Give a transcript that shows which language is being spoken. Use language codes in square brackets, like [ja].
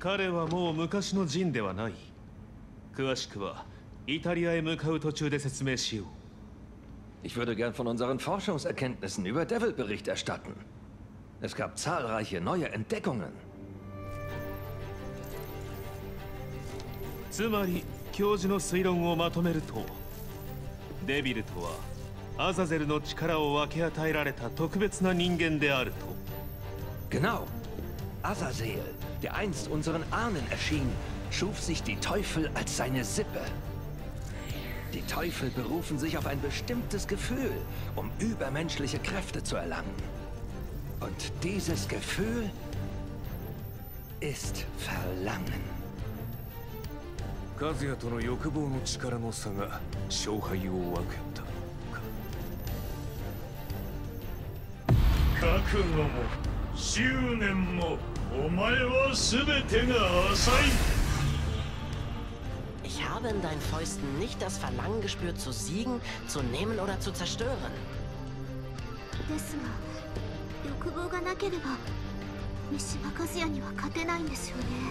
[ja] はもう昔のジンではない。詳しくはイタリアへ向かう途中で説明しよう。 [de] Ich würde gern von unseren Forschungserkenntnissen über Devil Bericht erstatten. Es gab zahlreiche neue Entdeckungen. [ja] つまり教授の推論をまとめると、デビルとはアザゼルの力を分け与えられた特別な人間であると。 [de] Genau, Azazel. Der einst unseren Ahnen erschien, schuf sich die Teufel als seine Sippe. Die Teufel berufen sich auf ein bestimmtes Gefühl, um übermenschliche Kräfte zu erlangen. Und dieses Gefühl ist Verlangen. [ja] Kazuya との欲望の力の差が勝敗を分けたのか。覚悟も執念も。お前は全てが浅い。 [de] Ich habe in deinen Fäusten nicht das Verlangen gespürt zu siegen, zu nehmen oder zu zerstören. [ja] ですが、欲望がなければ三島和也には勝てないんですよね。